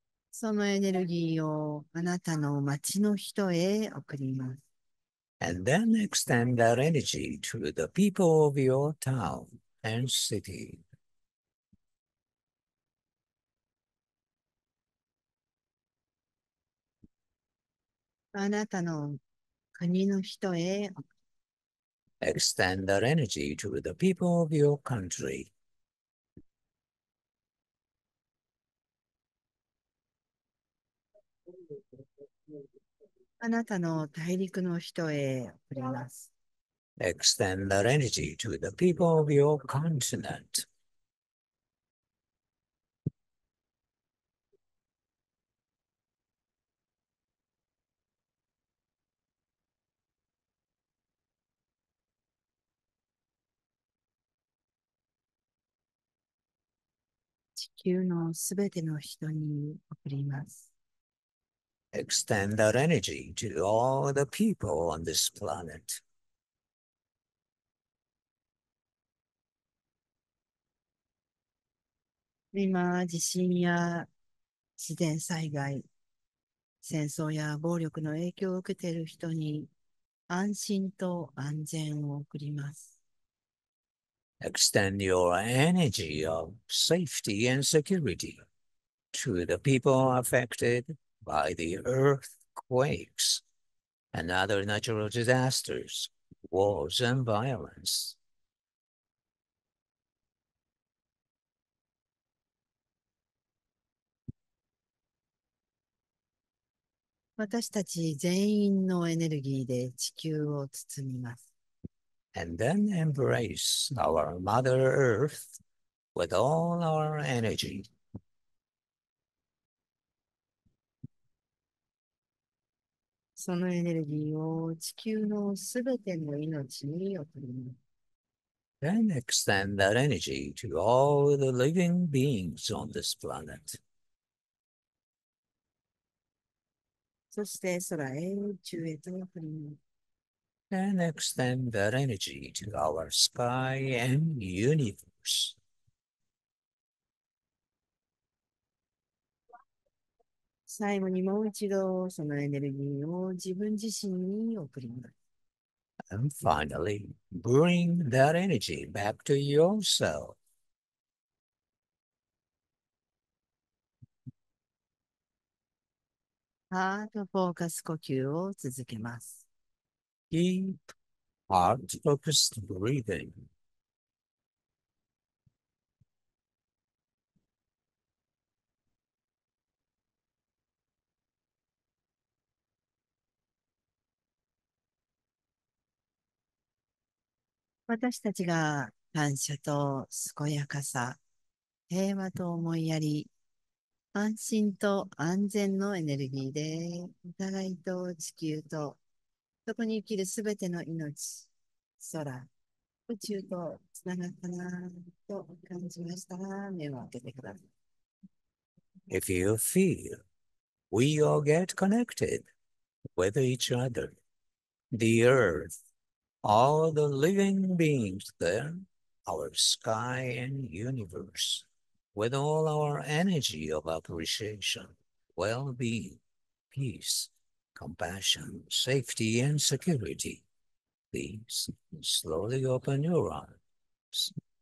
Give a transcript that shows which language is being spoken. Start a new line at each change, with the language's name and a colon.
Japanese: そのエネルギーをあなたの街の人へ送ります。
English: And then extend that energy to the people of your town and city.
Japanese: あなたの国の人へ。
English: Extend that energy to the people of your country.
Japanese: あなたの大陸の人へ送ります。
English: Extend that energy to the people of your continent.
Japanese: のすべての人に送ります。
English: Extend that energy to all the people on this planet.
Japanese: 今、地震や自然災害、戦争や暴力の影響を受けている人に安心と安全を送ります。
English: Extend your energy of safety and security to the people affected by the earthquakes and other natural disasters, wars and violence.
Japanese: 私たち全員のエネルギーで地球を包みます。
English: And then embrace our Mother Earth with all our energy.
Japanese: そのエネルギーを地球のすべての命に送ります。
English: Then extend that energy to all the living beings on this planet.
Japanese: そして空へ、宇宙へと送ります。
English: And extend that energy to our sky and universe.
Japanese: 最後にもう一度、そのエネルギーを自分自身に送ります。
English: And finally, bring that energy back to yourself.
Japanese: ハートフォーカス呼吸を続けます。
English: Keep heart-focused breathing.
Japanese: 私たちが感謝と健やかさ、平和と思いやり、安心と安全のエネルギーで、お互いと地球と、そこに生きるすべての命、空、宇宙とつながったなと感じましたら、目を開けてください。
English: If you feel we all get connected with each other, the earth, all the living beings there, our sky and universe, with all our energy of appreciation, well-being, peace, compassion, safety, and security, please slowly open your eyes.